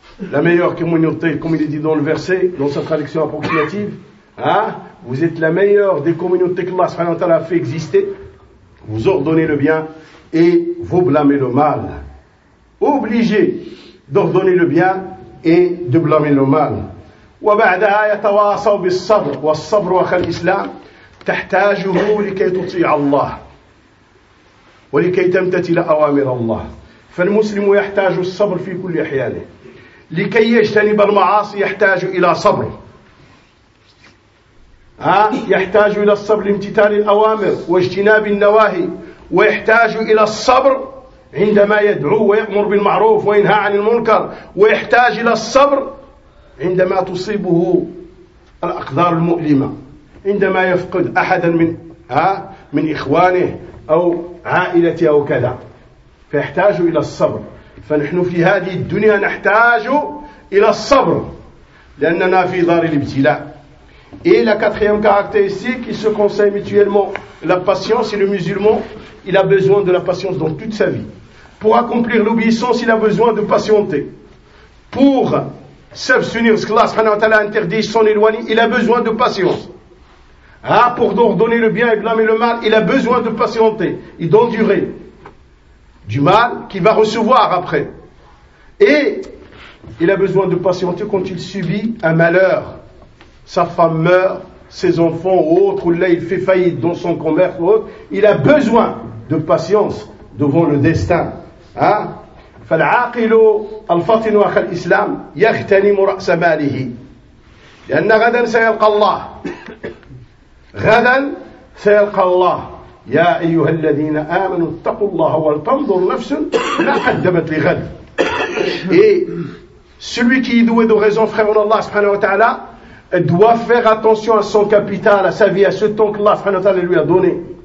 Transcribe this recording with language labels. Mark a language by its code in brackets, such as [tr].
[fr] La meilleure communauté, comme il est dit dans le verset, dans sa traduction approximative, vous êtes la meilleure des communautés que Allah subhanahu wa ta'ala a fait exister. Vous ordonnez le bien et vous blâmez le mal. Obligés d'ordonner le bien et de blâmer le mal. [ar] وبعدها يتواصوا بالصبر والصبر وخل الإسلام تحتاجه لكي تطيع الله ولكي تمتثل أوامر الله. فالمسلم يحتاج الصبر في كل أحيانه لكي يجتنب المعاصي، يحتاج إلى صبر، يحتاج إلى الصبر لامتثال الأوامر واجتناب النواهي، ويحتاج إلى الصبر عندما يدعو ويأمر بالمعروف وينهى عن المنكر ويحتاج إلى الصبر، عندما تصيبه الأقدار المؤلمة، عندما يفقد أحدا من إخوانه أو عائلته أو كذا، فيحتاج إلى الصبر. فنحن في هذه الدنيا نحتاج إلى الصبر لأننا في دار الابتلاء. [fr] Et la quatrième caractéristique, il se conseille mutuellement la patience, et le musulman, il a besoin de la patience dans toute sa vie. Pour accomplir l'obéissance, il a besoin de patienter. Pour s'abstenir, ce qu'Allah subhanahu wa ta'ala interdit, s'en éloigner, il a besoin de patience. Ah, pour ordonner le bien et blâmer le mal, il a besoin de patienter et d'endurer du mal qu'il va recevoir après. Et il a besoin de patienter quand il subit un malheur. Sa femme meurt, ses enfants ou autres, ou là il fait faillite dans son commerce ou autre. Il a besoin de patience devant le destin. [ar] فالعاقل الفطن أخ الإسلام يغتنم رأس ماله لأن غدا سيلقى الله غدا سيلقى الله يا أيها الذين آمنوا اتقوا الله ولتنظر نفس ما قدمت لغد. [fr] Et celui qui est doué de raison, frère en Allah subhanahu wa ta'ala, doit faire attention à son capital, à sa vie, à ce temps que Allah subhanahu wa ta'ala lui a donné.